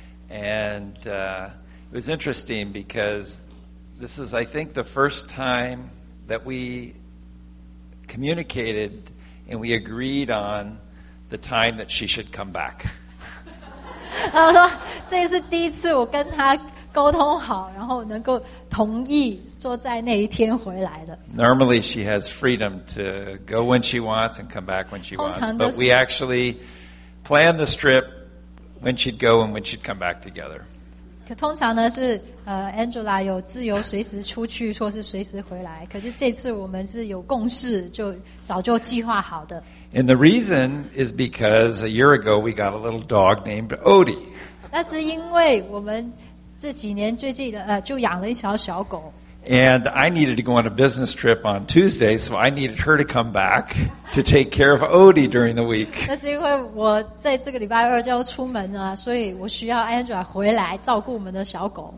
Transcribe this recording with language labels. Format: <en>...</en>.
<en>And it was interesting because this is, I think, the first time that we communicated. And we agreed on the time that she should come back.</en> <zh>他说这是第一次我跟他沟通好，然后能够同意说在那一天回来的。</zh> <en>Normally she has freedom to go when she wants and come back when she wants, but we actually planned this trip when she'd go and when she'd come back together.</en> <zh>可通常呢是Angela 有自由随时出去，说是随时回来。可是这次我们是有共识，就早就计划好的。</zh> <en>And the reason is because a year ago we got a little dog named Odie.</en> <zh>那是因为我们这几年最近就养了一条小狗。</zh> <en>And I needed to go on a business trip on Tuesday, so I needed her to come back to take care of Odie during the week.</en> <zh>那是因为我在这个礼拜二就要出门了，所以我需要Andrea回来照顾我们的小狗。</zh>